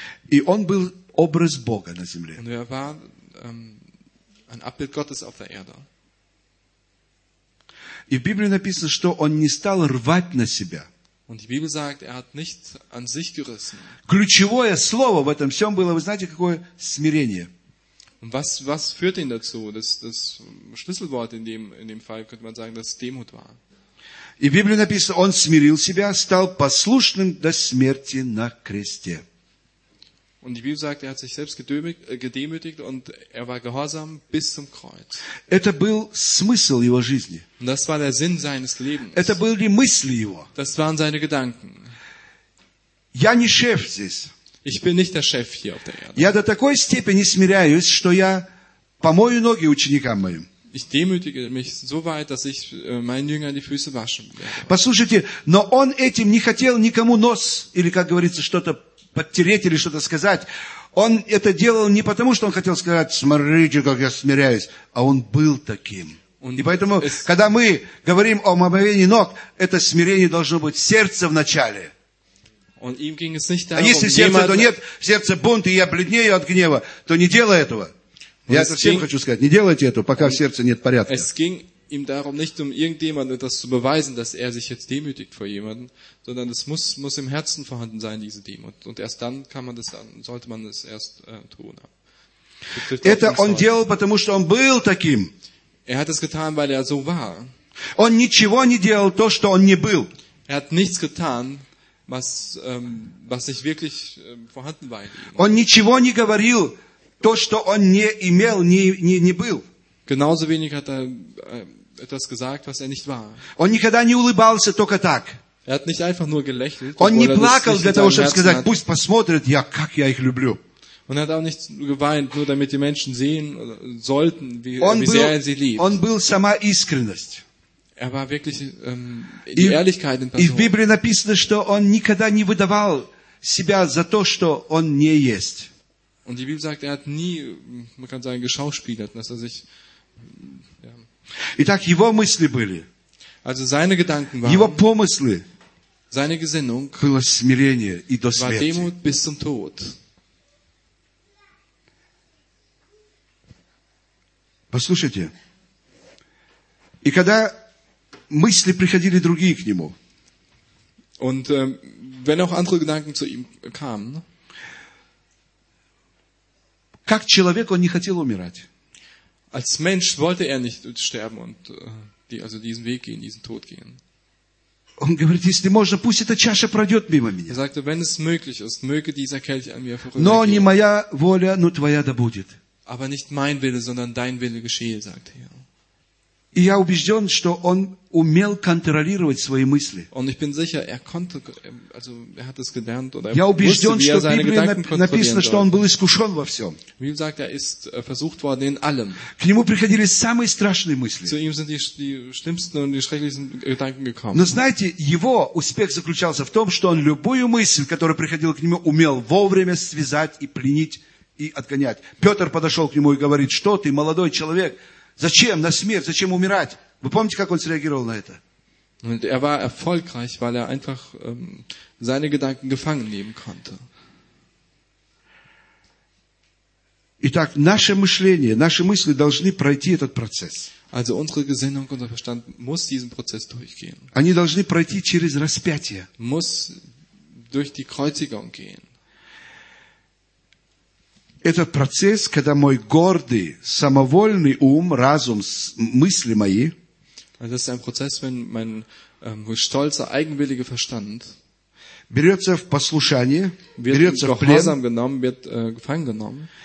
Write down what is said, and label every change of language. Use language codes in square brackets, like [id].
[ru] и он был образ Бога на земле. [de] Und er war ein Abbild Gottes auf der Erde. [ru] И в Библии написано, что он не стал рвать на себя. [de] Und die Bibel sagt, er hat nicht an sich gerissen. [ru] Ключевое слово в этом всем было, вы знаете, какое? Смирение. [de] Und was führt ihn dazu? Das Schlüsselwort in dem Fall, könnte man sagen, dass Demut war. [ru] И в Библии написано, он смирил себя, стал послушным до смерти на кресте. [de] Und die Bibel sagt, er hat sich selbst gedemütigt und er war gehorsam bis zum Kreuz. [ru] Это был смысл его жизни. [de] Und das war der Sinn seines Lebens. [ru] Это были мысли его. [de] Das waren seine Gedanken. [ru] Я не шеф здесь. [de] Ich bin nicht der Chef hier auf der Erde. [ru] Я до такой степени смиряюсь, что я помою ноги ученикам моим. [de] Ich demütige mich so weit, dass ich meinen Jüngern die Füße waschen werde. [ru] Послушайте, но он этим не хотел никому нос, или, как говорится, что-то подтереть или что-то сказать. Он это делал не потому, что он хотел сказать, смотрите, как я смиряюсь, а он был таким. И поэтому, когда мы говорим о омовении ног, это смирение должно быть в сердце вначале. А если сердце, то нет, в сердце бунт, и я бледнею от гнева, то не делай этого. Я это всем хочу сказать, не делайте этого, пока в сердце нет порядка. [de] Ihm darum nicht, um irgendjemandem etwas zu beweisen, dass er sich jetzt demütigt vor jemandem, sondern es muss im Herzen vorhanden sein, diese Demut. Und erst dann kann man das, sollte man es erst tun. [ru] Это он делал, потому что он был таким. [de] Er hat es getan, weil er so war. [ru] Он ничего не делал то, что он не был. [de] Er hat nichts getan, was, was nicht wirklich vorhanden war. [ru] Он ничего не говорил то, что он не имел, не был. [de] Genauso wenig hat er etwas gesagt, was er nicht war. [ru] Он никогда не улыбался только так. [de] Er hat nicht einfach nur gelächelt. [ru] Он не плакал для того, чтобы сказать, пусть посмотрят, я как я их люблю. [de] Und er hat auch nicht geweint, nur damit die Menschen sehen sollten, wie sehr er sie liebt. [ru] Он был сама искренность. [de] Er war wirklich die Ehrlichkeit in Person. [ru] И в Библии написано, что он никогда не выдавал себя за то, что он не есть. [de] Und die Bibel sagt, er hat nie, man kann sagen, geschauspielert, dass er sich. [ru] Ja. Итак, его мысли были. [de] Also seine Gedanken waren. [ru] Его помыслы. [de] Seine Gesinnung. [ru] Было смирение и до смерти. [de] War Demut bis zum Tod. [ru] Послушайте, и когда мысли приходили другие к нему, [de] und, wenn auch andere Gedanken zu ihm kamen, [ru] как человек он не хотел умирать. [de] Als Mensch wollte er nicht sterben und, also diesen Weg gehen, diesen Tod gehen. [ru] Он говорит, если можно, пусть эта чаша пройдет мимо меня. [de] Er sagte, wenn es möglich ist, möge dieser Kelch an mir vorübergehen. [ru] Но не моя воля, но твоя да будет. [de] Aber nicht mein Wille, sondern dein Wille geschehe, sagt er. [ru] И я убежден, что он умел контролировать свои мысли. [de] Und ich bin sicher, er konnte, also er hat es gelernt oder [ru] я убежден, [de] wusste, [ru] что в Библии написано, что он был искушен во всем. [de] Wie gesagt, er ist versucht worden in allem. [ru] К нему приходили самые страшные мысли. [de] Zu ihm sind die schlimmsten und die schrecklichsten Gedanken gekommen. [ru] Но знаете, его успех заключался в том, что он любую мысль, которая приходила к нему, умел вовремя связать и пленить. И отгонять. Петр подошел к нему и говорит, что ты, молодой человек, зачем на смерть, зачем умирать? Вы помните, как он среагировал на это? [de] Und er war erfolgreich, weil er einfach seine Gedanken gefangen nehmen konnte. [ru] Итак, наше мышление, наши мысли должны пройти этот процесс. [de] Also unsere Gesinnung, unser Verstand muss diesen Prozess durchgehen. [ru] Они должны пройти через распятие. [de] Muss durch die Kreuzigung gehen. [ru] Этот процесс, когда мой гордый, самовольный ум, разум, мысли мои, [de] das ist ein Prozess, wenn mein stolzer, eigenwilliger Verstand [ru] берется в послушание, [de] wird [ru] берется в плен, [de] genommen, wird, gefangen genommen,